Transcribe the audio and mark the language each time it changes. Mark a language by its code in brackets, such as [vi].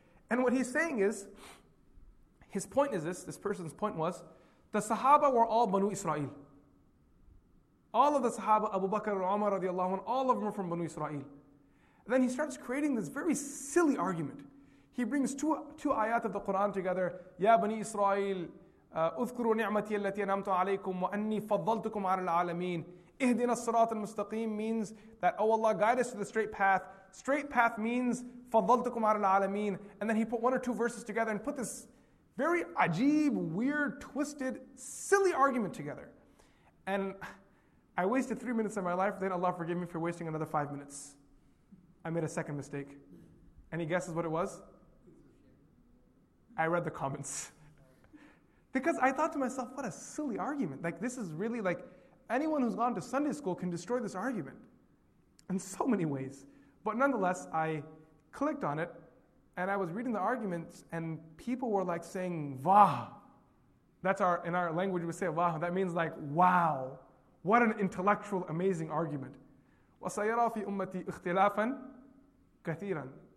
[en] And what he's saying is, his point is this person's point was, the Sahaba were all Banu Israel. All of the Sahaba, Abu Bakr and Umar radiallahu anhu, all of them are from Banu Israel. And then he starts creating this very silly argument. He brings two ayat of the Quran together. [ar] Ya Bani Israel, اذكروا نعمتي التي انعمت عليكم واني فضلتكم على العالمين. اهدنا الصراط المستقيم [en] means that, oh Allah, guide us to the straight path. Straight path means [ar] فضلتكم على العالمين. [en] And then he put one or two verses together and put this very ajeeb, weird, twisted, silly argument together. And I wasted 3 minutes of my life, then Allah forgive me for wasting another 5 minutes. I made a second mistake. Any guesses what it was? I read the comments. Because I thought to myself, what a silly argument. Like, this is really like, anyone who's gone to Sunday school can destroy this argument in so many ways. But nonetheless, I clicked on it, and I was reading the arguments, and people were like saying, "Vah." That's our, in our language, we say, "Vah." That means like, wow, what an intellectual, amazing argument. [ar] وَسَيَرَى فِي أُمَّتِي اِخْتِلَافًا كَثِيرًا.